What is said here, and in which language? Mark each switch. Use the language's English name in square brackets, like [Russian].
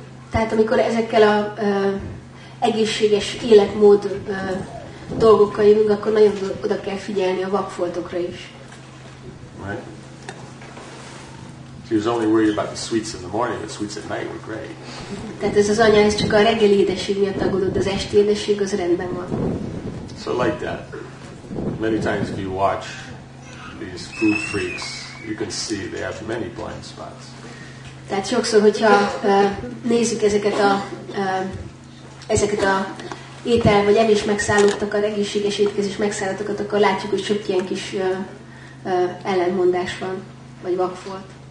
[Hungarian] Tehát amikor ezekkel a egészséges életmód dolgokkal jövünk, akkor nagyon oda kell figyelni a vakfoltokra is. [English] Right. She was only worried about the sweets in the morning, the sweets at night were great. [Hungarian] Tehát ez az anya, ez csak a reggeli édesség miatt aggódott, az esti édesség az rendben van. [English] So like that. Many times if you watch these food freaks, you can see they have many blind spots. [Hungarian] Tehát sokszor, hogyha nézzük ezeket a étel vagy evés megszállottakat, egészséges étkezés megszállottakat, akkor látjuk, hogy sok ilyen kis ellentmondás van, vagy vakfolt.